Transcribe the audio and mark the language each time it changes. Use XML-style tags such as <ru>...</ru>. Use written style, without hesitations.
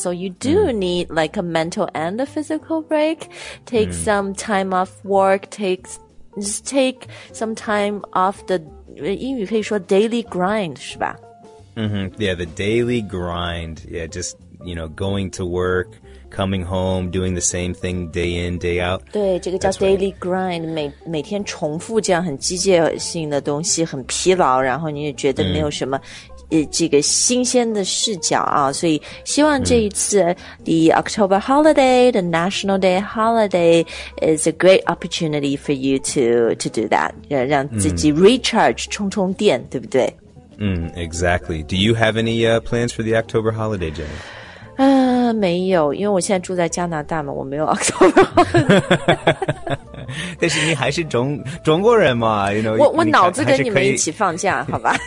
<en>So you do need like a mental and a physical break. Take some time off work. Just take some time off the</en> <zh>英语可以说</zh> <en>daily grind</en> <zh>是吧</zh> <en>Yeah, the daily grind. Yeah, just, you know, going to work, coming home, doing the same thing day in, day out.</en> <zh>对，这个叫 daily grind, 每天重复这样很机械性的东西，很疲劳，然后你也觉得没有什么这个新鲜的视角啊，所以希望这一次</zh> <en>the October holiday, the National Day holiday is a great opportunity for you to do that,</en> <zh>让自己 recharge, 充充电，对不对？</zh> <en>Exactly. Do you have any plans for the October holiday, Jenny?</en> <zh>没有，因为我现在住在加拿大嘛，我没有 October holiday。但是你还是中国人嘛 ，</zh> <en>you know。</en> <zh>我脑子跟你们一起放假，好吧？</zh>